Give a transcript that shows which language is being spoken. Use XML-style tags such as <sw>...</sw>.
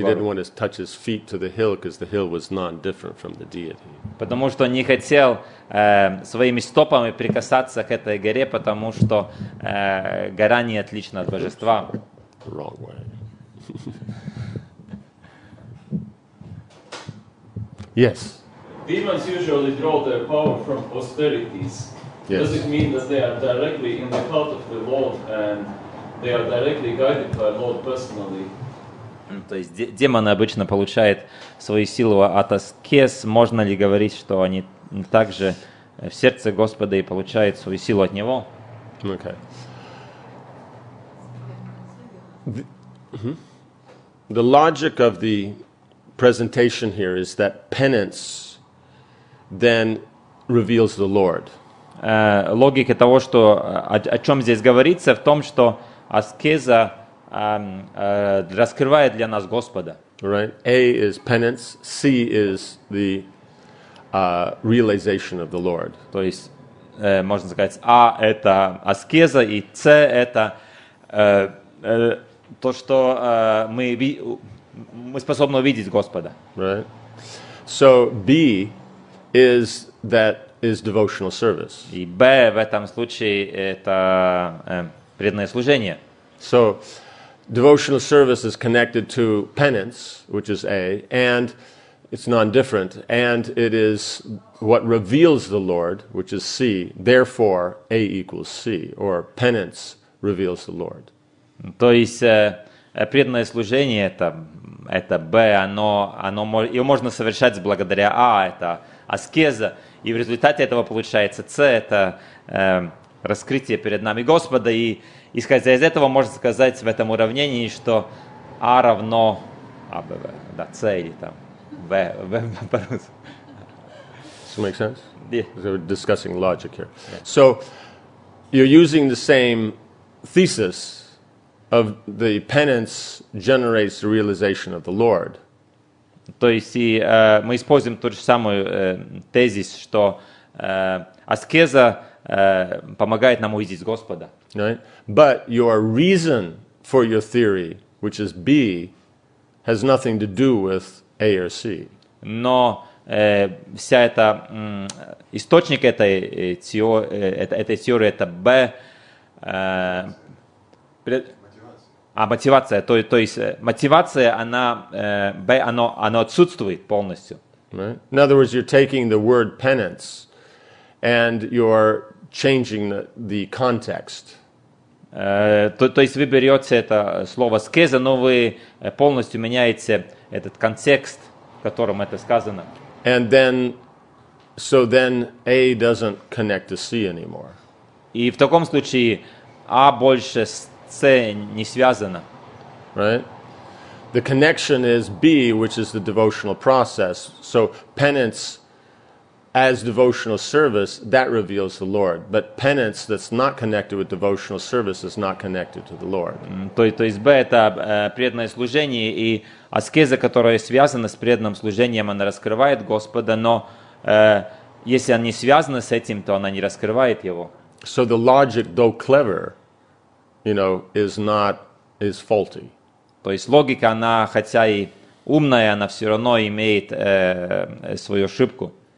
<en>He didn't want to touch his feet to the hill because the hill was not different from the deity.</en> <ru>Потому что он не хотел своими стопами прикасаться к этой горе, потому что гора не отлична от божества.</ru> <en>The wrong way. Yes. Demons usually draw their power from austerities. Yes. Does it mean that they are directly in the cult of the Lord and they are directly guided by Lord personally?</en> <ru>То есть демоны обычно получают свои силы от аскез. Можно ли говорить, что они также в сердце Господа и получают свою силу от Него?</ru> <en>Okay. The logic of the presentation here is that penance then reveals the Lord.</en> <ru>Логика того, что о чем здесь говорится, в том, что аскеза раскрывает для нас Господа.</ru> <en>Right. A is penance. C is the realization of the Lord.</en> <ru>То есть можно сказать, А это аскеза и С это то, что мы способны увидеть Господа.</ru> <en>Right. So B is that is devotional service.</en> <ru>И Б в этом случае это преданное служение.</ru> <en>So devotional service is connected to penance, which is A, and it's non-different, and it is what reveals the Lord, which is C. Therefore, A equals C, or penance reveals the Lord.</en> <ru>То есть преданное служение это Б, оно его можно совершать благодаря А, это аскеза, и в результате этого получается С, это раскрытие перед нами Господа, и исходя из этого можно сказать в этом уравнении, что А равно А, Б, В, да, С или там В, В по-русски.</ru> <en>Does that make sense? Yeah. We're discussing logic here. Yeah. So you're using the same thesis of the penance generates the realization of the Lord.</en> <ru>То есть мы используем ту же самую тезис, что аскеза помогает нам увидеть Господа.</ru> <en>Right? But your reason for your theory, which is B, has nothing to do with A or C.</en> <ru>Но вся эта источник этой этой теории это Б. Мотивация. То есть мотивация, она Б, она отсутствует полностью.</ru> <en>Right. In other words, you're taking the word penance and you're changing the context.</en> <ru>То есть вы берете это слово скеза, но вы полностью меняете этот контекст, в котором это сказано.</ru> <en>And then, so then A doesn't connect to C anymore.</en> <ru>И в таком случае A больше с C не связано.</ru> <en>Right? The connection is B, which is the devotional process. So penance as devotional service, that reveals the Lord. But penance that's not connected with devotional service is not connected to the Lord.</en> <ru>То есть B — это преданное служение, и аскеза, которая связана с преданным служением, она раскрывает Господа, но если она не связана с этим, то она не раскрывает Его.</ru> <en>So the logic, though clever, you know, is faulty.</en> <ru>То есть логика, она хотя и умная, она все равно имеет свою ошибку.</ru>